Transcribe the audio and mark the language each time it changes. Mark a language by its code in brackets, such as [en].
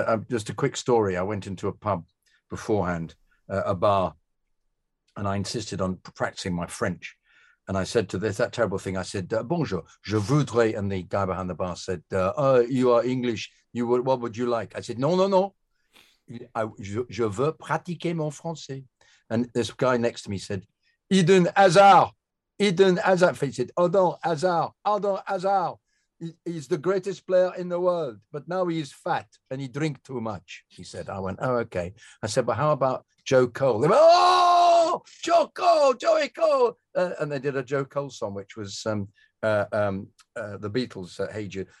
[en] Just a quick story. I went into a pub beforehand, a bar, and I insisted on practicing my French. And I said to this, that terrible thing, I said, [fr] bonjour, je voudrais. [en] And the guy behind the bar said, you are English. What would you like? I said, no, no, no. [fr] Je veux pratiquer mon français. [en] And this guy next to me said, Eden Hazard. Eden Hazard. He said, Eden Hazard. He's the greatest player in the world, but now he's fat and he drinks too much. He said, I went, oh, okay. I said, but how about Joe Cole? They went, oh, Joe Cole, Joey Cole. And they did a Joe Cole song, which was the Beatles, Hey Jude.